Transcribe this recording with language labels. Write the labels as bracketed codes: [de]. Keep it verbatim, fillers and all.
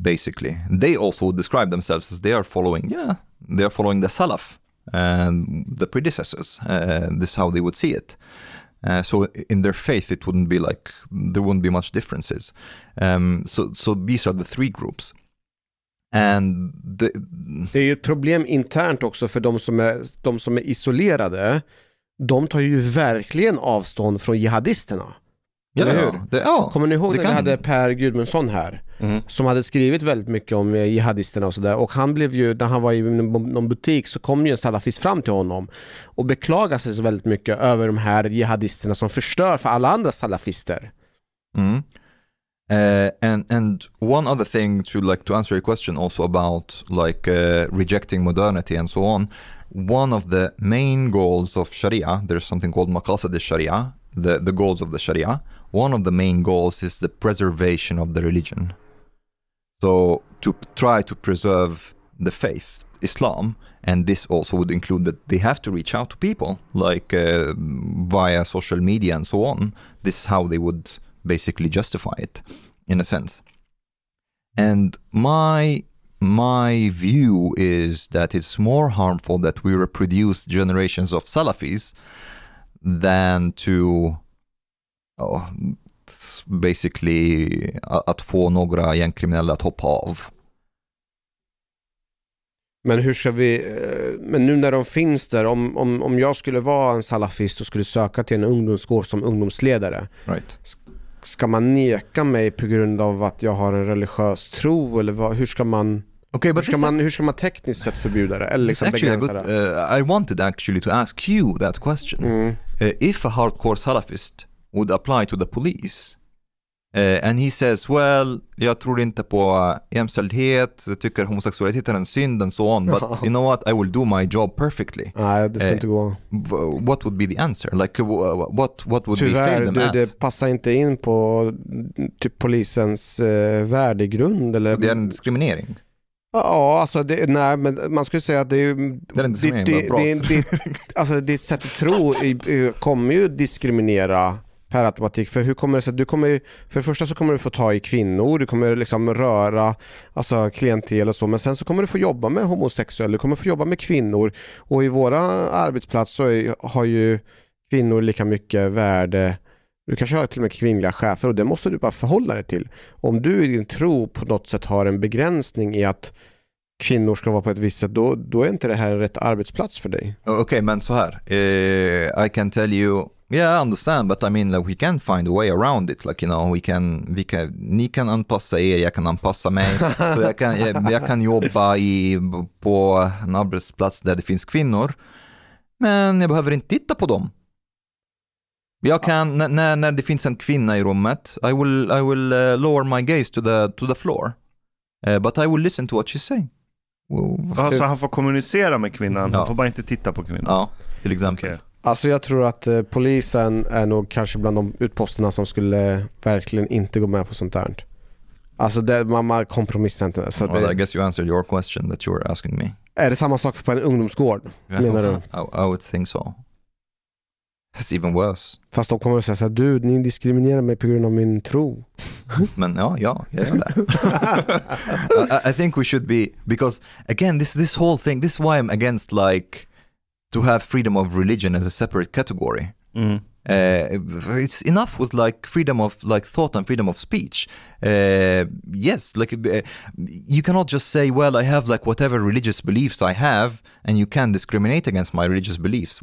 [en] Basically, they also describe themselves as they are following, yeah, they are following the Salaf and the predecessors. Uh, this is how they would see it. Uh, so in their faith, it wouldn't be like there wouldn't be much differences. Um, so, so these are the three groups. And the... [sv] Det är ju ett problem internt också för de som är de som är isolerade. De tar ju verkligen avstånd från jihadisterna. Ja, hur? Det, ja, kommer ni ihåg när kan... vi hade Per Gudmundsson här mm. som hade skrivit väldigt mycket om jihadisterna och sådär, och han blev ju, när han var i någon butik så kom ju en salafist fram till honom och beklagade sig så väldigt mycket över de här jihadisterna som förstör för alla andra salafister. Mm. [en] Uh, and and one other thing to like to answer your question also about like uh, rejecting modernity and so on. One of the main goals of Sharia, there's something called Maqasid al-Sharia, the the goals of the Sharia. One of the main goals is the preservation of the religion. So to p- try to preserve the faith, Islam, and this also would include that they have to reach out to people, like uh, via social media and so on. This is how they would basically justify it, in a sense. And my my view is that it's more harmful that we reproduce generations of Salafis than to... Oh, basically [sv] att få några gängkriminella att hoppa av. Men hur ska vi, men nu när de finns där, om, om, om jag skulle vara en salafist och skulle söka till en ungdomsgård som ungdomsledare, [en] right. [sv] Ska man neka mig på grund av att jag har en religiös tro, eller vad, hur ska man... [en] Okay, but [sv] hur, ska man, hur ska man tekniskt sett förbjuda det? Eller liksom begränsa det? [en] Uh, I wanted actually to ask you that question. Mm. Uh, if a hardcore salafist would apply to the police. Uh, and he says, well, [sv] jag tror inte på jämställdhet, tycker homosexualitet är en synd [en] and so on, but you know what, I will do my job perfectly. [sv] Nej, det ska inte gå. [en] What would be the answer? Like, what, what would [sv] Tyvärr, [en] they fail them [sv] du, [en] at? [sv] Det passar inte in på typ, polisens eh, värdegrund. Eller... Det är en diskriminering. Ja, alltså det, nej, men man skulle säga att det är, det är det, det, det, det, alltså ditt sätt att tro kommer ju diskriminera per automatik, för hur kommer det sig att du kommer, för det första så kommer du få ta i kvinnor, du kommer liksom röra alltså klientel och så, men sen så kommer du få jobba med homosexuella, du kommer få jobba med kvinnor, och i våra arbetsplats så är, har ju kvinnor lika mycket värde. Du kanske har till och med kvinnliga chefer, och det måste du bara förhålla dig till. Om du i din tro på något sätt har en begränsning i att kvinnor ska vara på ett visst sätt, då, då är inte det här en rätt arbetsplats för dig. Okej, okay, men så här. [en] Uh, I can tell you, yeah, I understand, but I mean, like, we can find a way around it. Like, you know, we can, [sv] we can, ni kan anpassa er, jag kan anpassa mig. Så jag kan, jag, jag kan jobba i, på en arbetsplats där det finns kvinnor, men jag behöver inte titta på dem. Jag kan, när, när det finns en kvinna i rummet, [en] I will, I will uh, lower my gaze to the, to the floor. Uh, but I will listen to what she's saying. [sv] Ja, så han får kommunicera med kvinnan, han får bara inte titta på kvinnan. Ja, till exempel. Okay. Alltså jag tror att eh, polisen är nog kanske bland de utposterna som skulle verkligen inte gå med på sånt där. Alltså det, man kompromissar inte. Så [en] well, [sv] det, [en] I guess you answered your question that you were asking me. [sv] Är det samma sak för på en ungdomsgård? [en] Yeah, [sv] menar du? [en] I, I would think so. It's even worse. [sv] Fast de kommer att säga så här, du, ni diskriminerar mig på grund av min tro. Men ja, ja, jag gör det. [en] I, I think we should be, because again, this, this whole thing, this is why I'm against like to have freedom of religion as a separate category. Mm. Uh, it's enough with like freedom of like thought and freedom of speech. Uh, yes, like uh, you cannot just say, well, I have like whatever religious beliefs I have, and you can discriminate against my religious beliefs.